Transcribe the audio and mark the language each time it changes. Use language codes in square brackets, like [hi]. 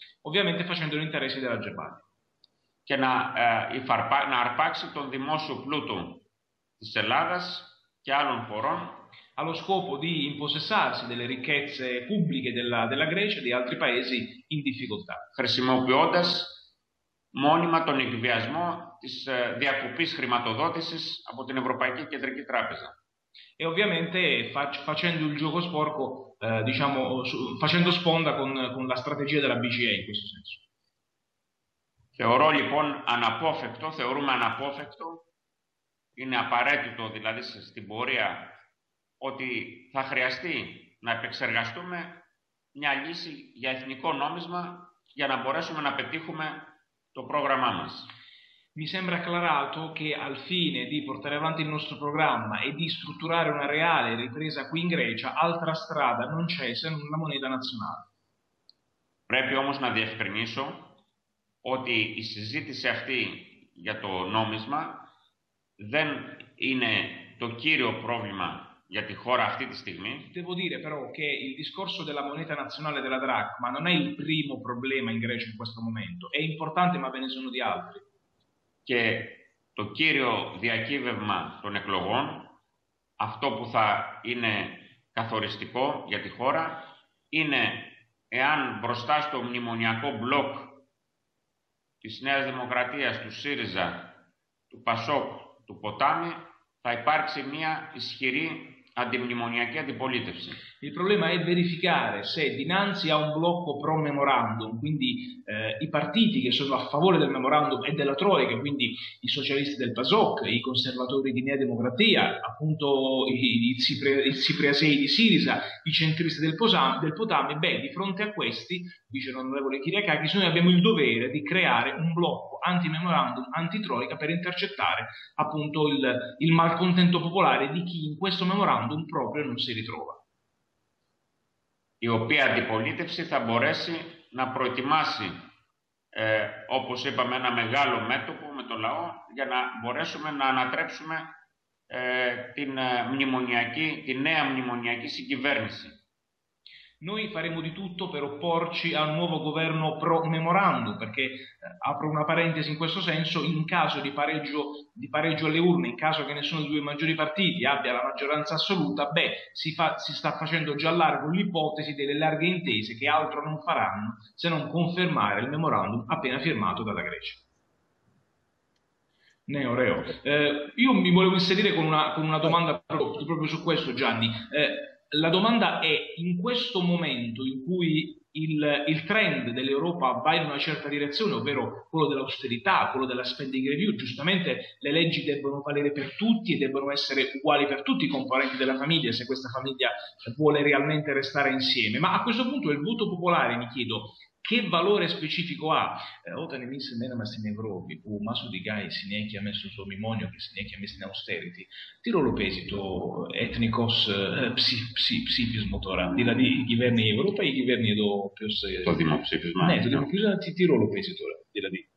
[it] Ovviamente facendo gli interessi della Germania. [el] Και να, να αρπάξει τον δημόσιο πλούτο της Ελλάδας και άλλων χωρών. [it] Allo scopo di impossessarsi delle ricchezze pubbliche della Grecia e di altri paesi in difficoltà. [el] Χρησιμοποιώντας μόνιμα τον εκβιασμό της διακοπής χρηματοδότησης από την Ευρωπαϊκή Κεντρική Τράπεζα. [it] E ovviamente facendo il gioco sporco, diciamo, facendo sponda con la strategia della BCE in questo senso. [el] Θεωρώ λοιπόν αναπόφευκτο, θεωρούμε αναπόφευκτο, είναι απαραίτητο δηλαδή στην πορεία ότι θα χρειαστεί να επεξεργαστούμε μια λύση για εθνικό νόμισμα για να μπορέσουμε να πετύχουμε το πρόγραμμά μας. [it] Mi sembra acclarato che al fine di portare avanti il nostro programma e di strutturare una reale ripresa qui in Grecia, altra strada non c'è se non la moneta nazionale. [el] Πρέπει όμως να διευκρινίσω ότι η συζήτηση αυτή για το νόμισμα δεν είναι το κύριο πρόβλημα για τη χώρα αυτή τη στιγμή. [it] Devo dire però che il discorso della moneta nazionale della dracma non è il primo problema in Grecia in questo momento. È importante, ma ve ne sono di altri. [el] Και το κύριο διακύβευμα των εκλογών, αυτό που θα είναι καθοριστικό για τη χώρα, είναι εάν μπροστά στο μνημονιακό μπλοκ της Νέας Δημοκρατίας, του ΣΥΡΙΖΑ, του ΠΑΣΟΚ, του ΠΟΤΑΜΗ, θα υπάρξει μια ισχυρή αντιμνημονιακή αντιπολίτευση. [it] Il problema è verificare se dinanzi a un blocco pro memorandum, quindi i partiti che sono a favore del memorandum e della Troica, quindi i socialisti del PASOK, i conservatori di Nea Democratia, appunto i Cipriasei di Sirisa, i centristi del Potame, beh, di fronte a questi, dice l'onorevole Kyriakakis, noi abbiamo il dovere di creare un blocco anti-memorandum, anti-Troica, per intercettare appunto il malcontento popolare di chi in questo memorandum proprio non si ritrova. [el] Η οποία αντιπολίτευση θα μπορέσει να προετοιμάσει, όπως είπαμε, ένα μεγάλο μέτωπο με το λαό για να μπορέσουμε να ανατρέψουμε την νέα μνημονιακή συγκυβέρνηση. [it] Noi faremo di tutto per opporci al nuovo governo pro memorandum, perché apro una parentesi in questo senso, in caso di pareggio alle urne, in caso che nessuno dei due maggiori partiti abbia la maggioranza assoluta, beh, si sta facendo già largo l'ipotesi delle larghe intese che altro non faranno se non confermare il memorandum appena firmato dalla Grecia. Neoreo, io mi volevo inserire con una domanda proprio su questo, Gianni. La domanda è, in questo momento in cui il trend dell'Europa va in una certa direzione, ovvero quello dell'austerità, quello della spending review, giustamente le leggi debbono valere per tutti e debbono essere uguali per tutti i componenti della famiglia, se questa famiglia vuole realmente restare insieme. Ma a questo punto il voto popolare, mi chiedo, che valore specifico ha? [el] Όταν εμείς μέναμε στην Ευρώπη, που μάσου διγάει συνέχεια μέσα στο το μνημόνιο και συνέχεια μέσα στην austerity, τι ρόλο παίζει το εθνικό ψήφισμο τώρα, δηλαδή η κυβέρνηση Ευρώπη ή η κυβέρνηση εδώ ποιος... Το δημοψήφισμα. Ναι, το δημοψήφισμα, τι ρόλο παίζει τώρα, δηλαδή.